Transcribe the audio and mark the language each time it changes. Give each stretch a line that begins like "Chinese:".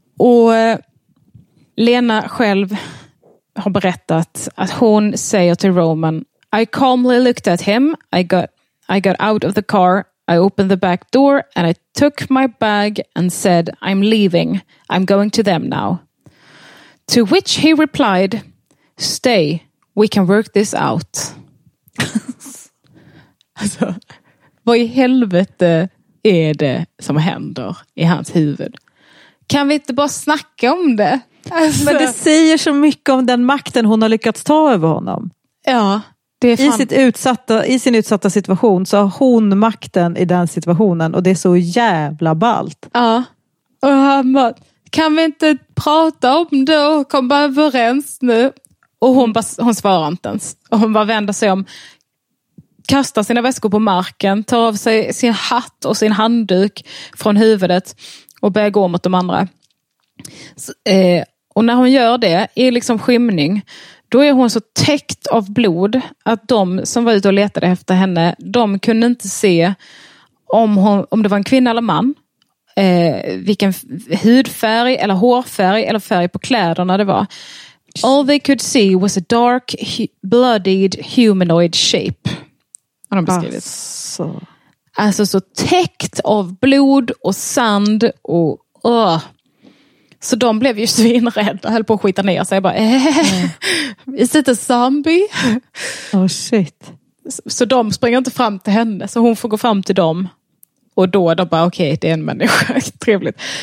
Swedish: Och Lena själv har berättat att hon säger till Roman,
English: I calmly looked at him, I got out of the car, I opened the back door and I took my bag and said, I'm leaving, I'm going to them now. To which he replied, stay, we can work this out.
Swedish: Alltså, vad i helvete är det som händer i hans huvud? Kan vi inte bara snacka om det? Alltså. Men det säger så mycket om den makten hon har lyckats ta över honom. Ja, det är fan. I sin utsatta situation så har hon makten i den situationen. Och det är så jävla ballt. Ja. Och han bara, kan vi inte prata om det och komma överens nu? Och hon svarar inte ens. Och hon bara vänder sig om. Kastar sina väskor på marken. Tar av sig sin hatt och sin handduk från huvudet. Och börjar gå mot de andra. Och när hon gör det i liksom skymning, då är hon så täckt av blod att de som var ute och letade efter henne, de kunde inte se om det var en kvinna eller man. Vilken hudfärg eller hårfärg eller färg på kläderna det var.
English: All they could see was a dark, bloodied humanoid shape.
Swedish: Har de beskrivit. Alltså så täckt av blod och sand och Så de blev ju svinrädda och höll på att skita ner sig. Bara,
English: Is it a zombie? Oh shit.
Swedish: Så de springer inte fram till henne. Så hon får gå fram till dem. Och då är de bara, okej, det är en människa. Trevligt.